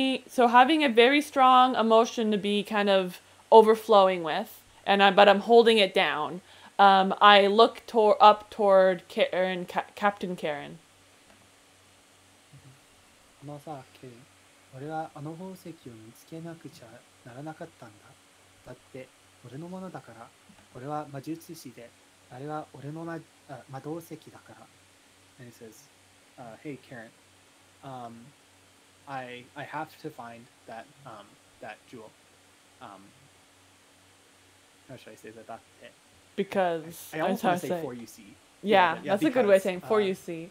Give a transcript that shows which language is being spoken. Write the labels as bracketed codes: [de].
[en] So having a very strong emotion to be kind of overflowing with, but I'm holding it down, I look up toward Karen, Captain Karen. [ja] あのさ、ケレン、俺はあの宝石を見つけなくちゃならなかったんだ。だって、俺のものだから。俺は魔術師で、あれは俺の魔導石だから。 [en] And he says, Hey, Karen, I have to find that, that jewel. How should I say that? [ja] だって。 [en] Because, I almost want to say, for you see. Yeah, that's because, a good way of saying, for you see.